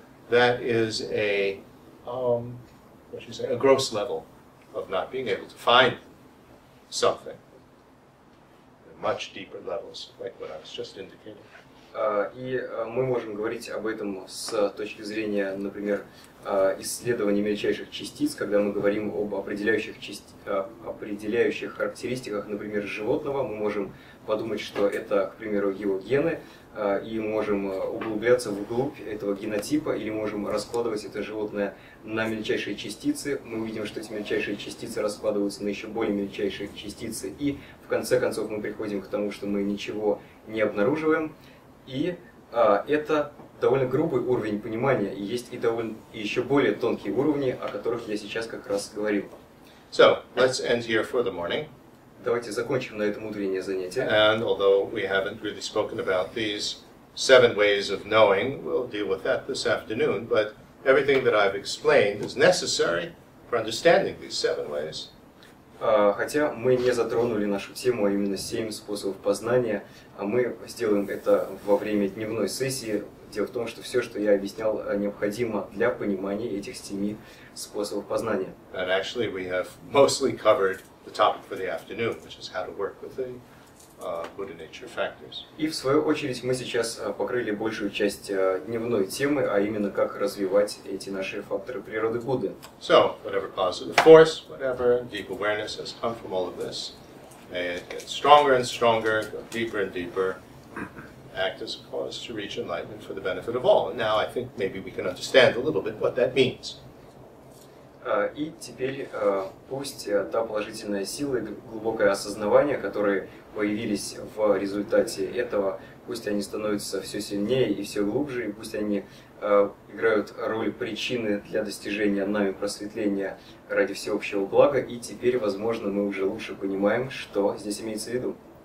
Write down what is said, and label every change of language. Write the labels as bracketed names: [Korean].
[English] That is a, a gross level of not being able to find something. Much deeper levels, like what I was just indicating. [Russian] И мы можем говорить об этом с точки зрения, например, исследования мельчайших частиц, когда мы говорим об определяющих, определяющих характеристиках, например, животного. Мы можем подумать, что это, к примеру, его гены, и можем углубляться вглубь этого генотипа, или можем раскладывать это животное на мельчайшие частицы. Мы увидим, что эти мельчайшие частицы раскладываются на еще более мельчайшие частицы, и в конце концов мы приходим к тому, что мы ничего не обнаруживаем. И это довольно грубый уровень понимания, и есть и довольно и еще более тонкие уровни, о которых я сейчас как раз говорил. [English] So, let's end here for the morning. [Russian] Давайте закончим на этом утреннее занятие. [English] And although we haven't really spoken about these seven ways of knowing, we'll deal with that this afternoon, but everything that I've explained is necessary for understanding these seven ways. [Russian] Хотя мы не затронули нашу тему, а именно семь способов познания, а мы сделаем это во время дневной сессии. Дело в том, что все, что я объяснял, необходимо для понимания этих семи способов познания. [English] And actually we have mostly covered the topic for the afternoon, which is how to work with the Buddha nature factors. [Russian] И в свою очередь мы сейчас покрыли большую часть дневной темы, а именно как развивать эти наши факторы природы Будды. [English] So, whatever positive force, whatever deep awareness has come from all of this, may it get stronger and stronger, go deeper and deeper, act as a cause to reach enlightenment for the benefit of all. And now I think maybe we can understand a little bit what that means. [Russian] И теперь пусть та положительная сила и глубокое осознавание, которые появились в результате этого, пусть они становятся все сильнее и все глубже, и пусть они играют роль причины для достижения нами просветления ради всеобщего блага, и теперь, возможно, мы уже лучше понимаем, что здесь имеется в виду.